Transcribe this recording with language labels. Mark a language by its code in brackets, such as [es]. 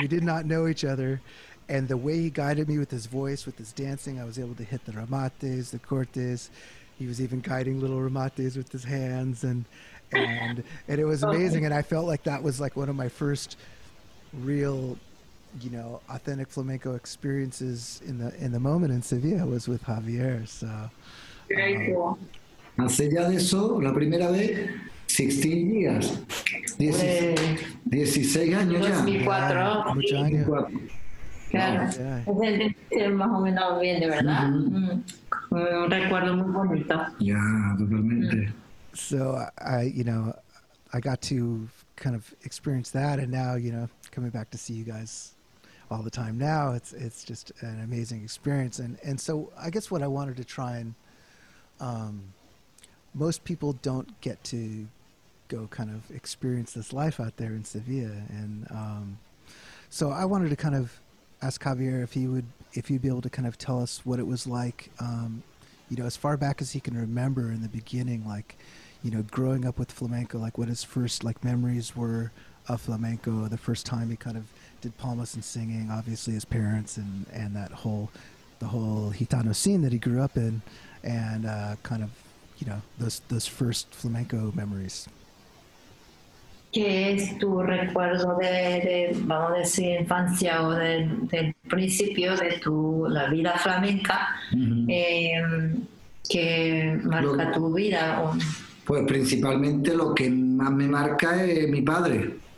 [en] We did not know each other, and the way he guided me with his voice, with his dancing, I was able to hit the remates, the cortes. He was even guiding little remates with his hands, and it was amazing. And I felt like that was, like, one of my first real, you know, authentic flamenco experiences in the moment in Sevilla was with Javier. So very cool. [es] Hace ya de eso, la primera vez, 16 días, 16 años ya. 2004. Muchos años. Claro, es más o menos bien, de verdad. Un recuerdo muy bonito. Ya, totalmente. [en] So, I got to kind of experience that, and now, you know, coming back to see you guys all the time now, it's just an amazing experience. And so, I guess what I wanted to try and... most people don't get to go kind of experience this life out there in Sevilla. And so I wanted to kind of ask Javier if he'd be able to kind of tell us what it was like, you know, as far back as he can remember in the beginning, like, you know, growing up with flamenco, like what his first, like, memories were of flamenco, the first time he kind of did palmas and singing, obviously his parents and that whole, the whole gitano scene that he grew up in, and kind of, you know, those first flamenco memories. [es] ¿Qué es tu recuerdo de vamos a decir, infancia o del principio de tu la vida flamenca, que marca tu vida? Pues principalmente lo que más me marca es mi padre.